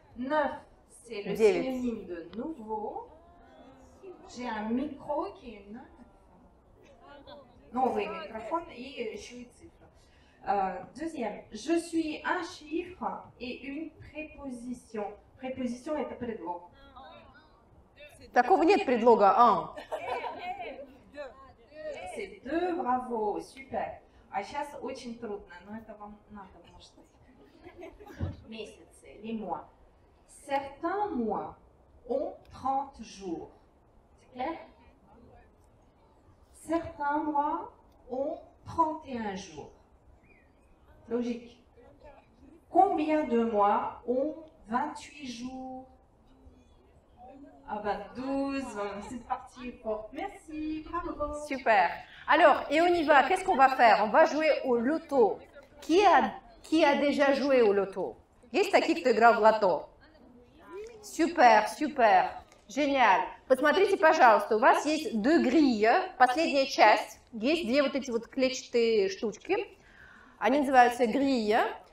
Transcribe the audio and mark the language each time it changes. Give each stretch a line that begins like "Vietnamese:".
French: Neuf, c'est le synonyme de nouveau. J'ai un micro qui est neuf.
Russian: Новый микрофон и еще цифра.
French: Deuxième. Je suis un chiffre et une préposition. Préposition est un предлог.
Russian: Такого нет предлога.
French: Un. C'est deux, bravo, super.
Russian: А сейчас очень трудно, но это вам надо, может быть. Месяцы,
French: les mois. Certains mois ont 30 jours. C'est clair? Certains mois ont 31 jours. Logique. Combien de mois ont 28 jours? Ah ben 12, c'est parti. Merci, bravo. Super. Alors, et on y va, qu'est-ce qu'on va faire? On va jouer au loto. Qui a déjà joué au loto?
Russian: Есть таких, кто играл в лото?
French: Super, super, génial.
Russian: Посмотрите, пожалуйста, у вас есть
French: deux grilles,
Russian: последняя часть. Есть две вот эти вот клетчатые штучки. Они называются grilles.